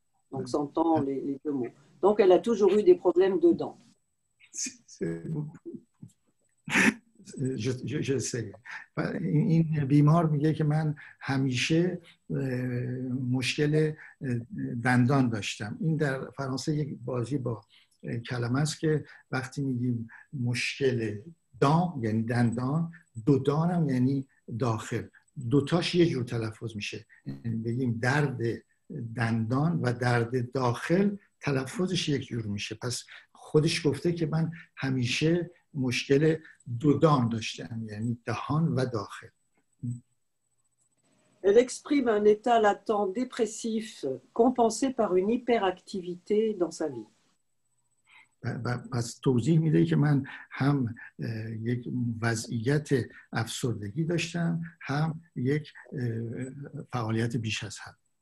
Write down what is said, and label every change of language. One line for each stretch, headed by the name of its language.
French: Donc, s'entend les deux mots. Donc, elle a toujours eu des problèmes de dents. Je sais. Un bimor me dit que j'ai toujours des problèmes de dents. C'est en français, une phrase avec
Persian: کلمه است که وقتی میگیم مشکل دان یعنی دندان، دو دانم یعنی داخل، دوتاش یه جور تلفظ میشه. بگیم درد دندان و درد داخل تلفظش یک جور میشه. پس خودش گفته که من همیشه مشکل دو دان داشتم یعنی دهان و داخل.
French: Elle exprime un état latent dépressif compensé par une hyperactivité dans sa vie.
Persian: پس توضیح میده که من هم یک وضعیت افسردگی داشتم هم یک فعالیت بیش از حد.